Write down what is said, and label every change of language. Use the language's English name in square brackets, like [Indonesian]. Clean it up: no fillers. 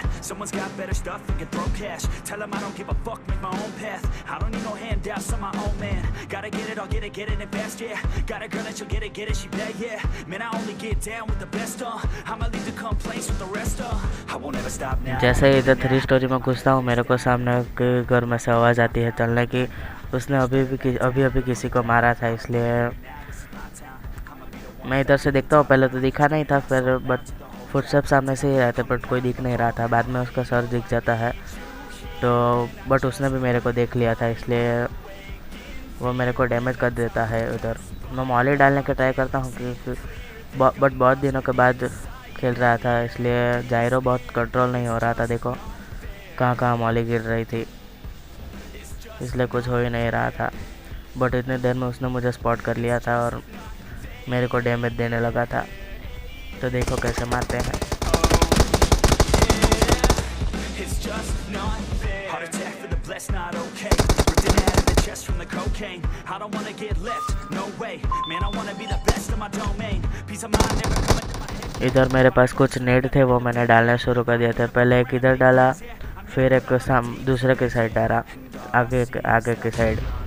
[English] Someone's got better stuff and can throw cash. Tell them I don't give a fuck, make my own path. I don't need no handouts, I'm my own man. Gotta get it, I'll get it in fast, yeah. Got a girl that she'll get it, she bad, yeah. Man, I only get down with the best, I'ma leave the complaints with the rest, I won't ever stop now. [Hindi] जैसे ही इधर 3 story में घुसता हूँ मेरे को सामने के घर में से आवाज़ आती है चलने की, उसने अभी अभी किसी को मारा था, इसलिए मैं इधर से देखता हूँ। पहले तो दिखा नहीं था, फिर बट फुटस्टेप सामने से ही रहते थे बट कोई दिख नहीं रहा था, बाद में उसका सर दिख जाता है तो, बट उसने भी मेरे को देख लिया था इसलिए वो मेरे को डैमेज कर देता है। उधर मैं मॉली डालने की ट्राई करता हूँ क्योंकि बट बहुत दिनों के बाद खेल रहा था इसलिए जायरो बहुत कंट्रोल नहीं हो रहा था, देखो कहाँ कहाँ मॉली गिर रही थी, इसलिए कुछ हो ही नहीं रहा था। बट इतनी देर में उसने मुझे स्पॉट कर लिया था और मेरे को डैमेज देने लगा था। तो देखो कैसे मारते हैं। [English] It's just not fair. Heart attack for the blessed, not okay. Ripped it out of the chest from the cocaine. I don't wanna get left, no way. Man, I wanna be the best in my domain. Peace of mind never coming. [Hindi] इधर मेरे पास कुछ नेड थे, वो मैंने डालने शुरू कर दिया था। पहले एक इधर डाला, फिर एक दूसरे के साइड डाला, आगे आगे के साइड।